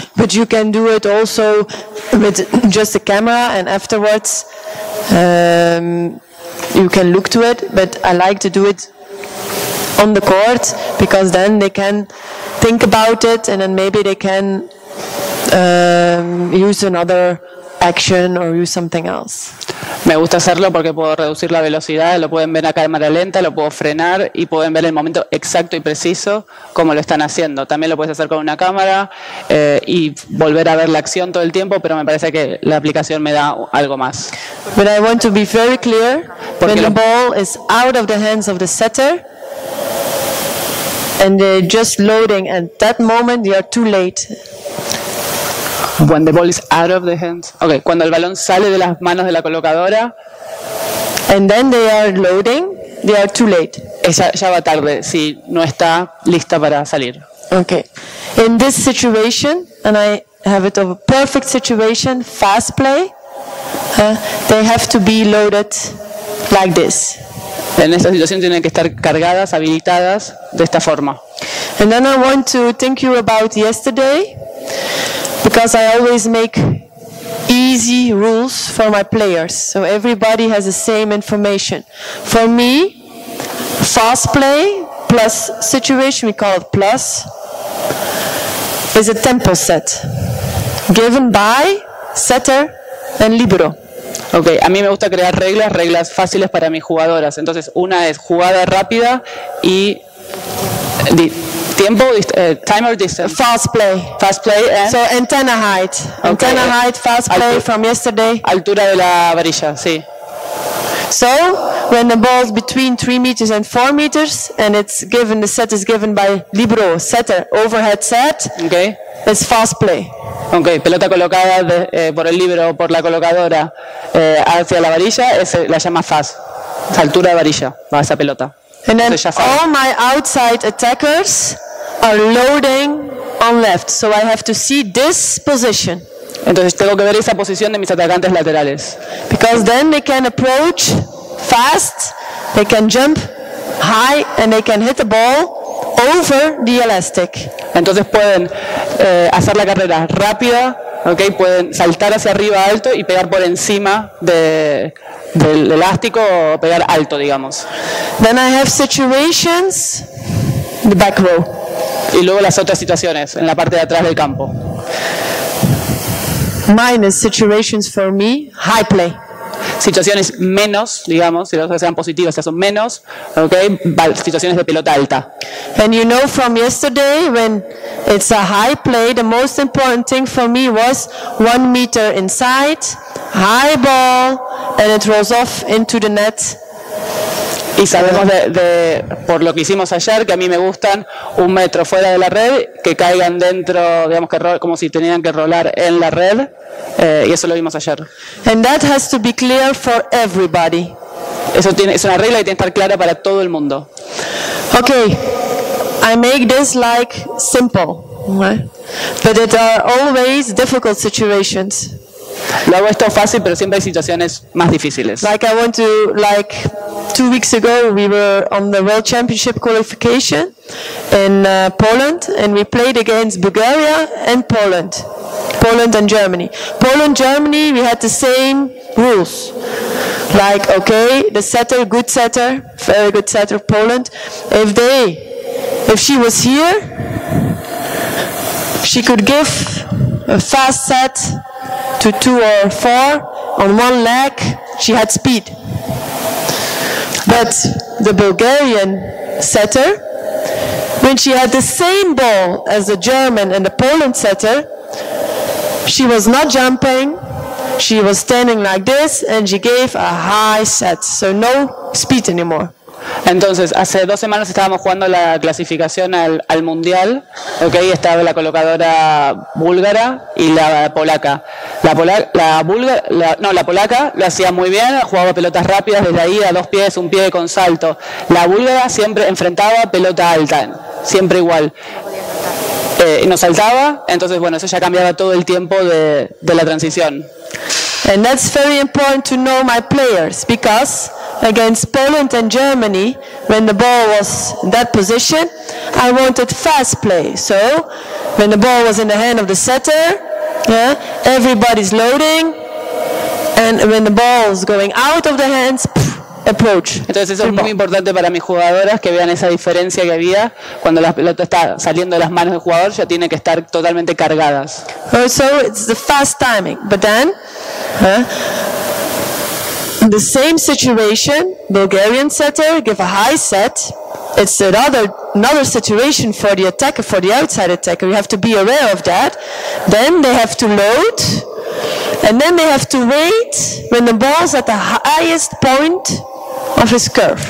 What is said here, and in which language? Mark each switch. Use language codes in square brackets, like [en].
[en] But you can do it also with just a camera and afterwards you can look to it. But I like to do it on the court because then they can think about it and then maybe they can use another action or use something else. [es] Me gusta hacerlo porque puedo reducir la velocidad, lo pueden ver a cámara lenta, lo puedo frenar y pueden ver el momento exacto y preciso como lo están haciendo. También lo puedes hacer con una cámara y volver a ver la acción todo el tiempo, pero me parece que la aplicación me da algo más. [en] But I want to be very clear, when the ball is out of the hands of the setter and they're just loading at that moment, they are too late. When the ball is out of the hands. [es] Okay, cuando el balón sale de las manos de la colocadora. [en] And then they are loading, they are too late. [es] Esa ya va tarde si no está lista para salir. Okay. [en] In this situation, and I have it of a perfect situation, fast play, they have to be loaded like this. [es] En esta situación tienen que estar cargadas, habilitadas de esta forma. [en] And then I want to think you about yesterday. Because I always make easy rules for my players, so everybody has the same information. For me, fast play plus situation, we call it plus, is a tempo set given by setter and libero. [es] Okay, a mí me gusta crear reglas fáciles para mis jugadoras. Entonces, una es jugada rápida y tiempo, [en] time or distance? Fast play. And? So antenna height. Okay. Antenna height, fast play from yesterday. [es] Altura de la varilla, sí. [en] So when the ball is between 3 meters and 4 meters, and it's given, the set is given by libero setter, overhead set. Okay. It's fast play. Okay. [es] Pelota colocada por el libero, por la colocadora hacia la varilla, la llama fast. Es altura de varilla, va esa pelota. [en] And then all my outside attackers are loading on left, so I have to see this position. [es] Entonces tengo que ver esa posición de mis atacantes laterales. [en] Because then they can approach fast, they can jump high, and they can hit the ball over the elastic. [es] Entonces pueden hacer la carrera rápida, okay? Pueden saltar hacia arriba alto y pegar por encima del elástico o pegar alto, digamos. [en] Then I have situations the back row. [es] Y luego las otras situaciones en la parte de atrás del campo. [en] minus situations for me, high play. [es] Situaciones menos, digamos, si las sean positivas, si son menos, okay, situaciones de pelota alta. [en] And you know from yesterday when it's a high play, the most important thing for me was 1 meter inside, high ball, and it rolls off into the net. [es] Y sabemos de por lo que hicimos ayer que a mí me gustan 1 metro fuera de la red, que caigan dentro, digamos que como si tenían que rolar en la red, y eso lo vimos ayer. [en] And that has to be clear for everybody. [es] Eso tiene, es una regla y tiene que estar clara para todo el mundo. [en] Okay, I make this like simple, but it are always difficult situations. [es] Lo hago esto fácil, pero siempre hay situaciones más difíciles. [en] Like I want to, like 2 weeks ago, we were on the World Championship qualification in Poland, and we played against Bulgaria and Poland, Poland and Germany. Poland, Germany, we had the same rules. Like, okay, the setter, good setter, very good setter, Poland. If she was here, she could give a fast set to 2 or 4 on one leg, she had speed. But the Bulgarian setter, when she had the same ball as the German and the Poland setter, she was not jumping, she was standing like this, and she gave a high set, so no speed anymore. [es] Entonces, hace 2 semanas estábamos jugando la clasificación al mundial, okay, estaba la colocadora búlgara y la polaca. La polaca lo hacía muy bien, jugaba pelotas rápidas desde ahí a 2 pies, 1 pie con salto. La búlgara siempre enfrentaba pelota alta, siempre igual. Nos saltaba, entonces bueno, eso ya cambiaba todo el tiempo de la transición. [en] And that's very important to know my players, because against Poland and Germany, when the ball was in that position, I wanted fast play. So when the ball was in the hand of the setter, yeah, everybody's loading, and when the ball's going out of the hands, approach. [es] Entonces eso es muy importante para mis jugadoras, que vean esa diferencia que había cuando la pelota está saliendo de las manos del jugador, ya tiene que estar totalmente cargadas. [en] So it's the fast timing, but then the same situation, Bulgarian setter give a high set. It's another situation for the attacker, for the outside attacker. You have to be aware of that. Then they have to load. And then they have to wait when the ball is at the highest point of his curve.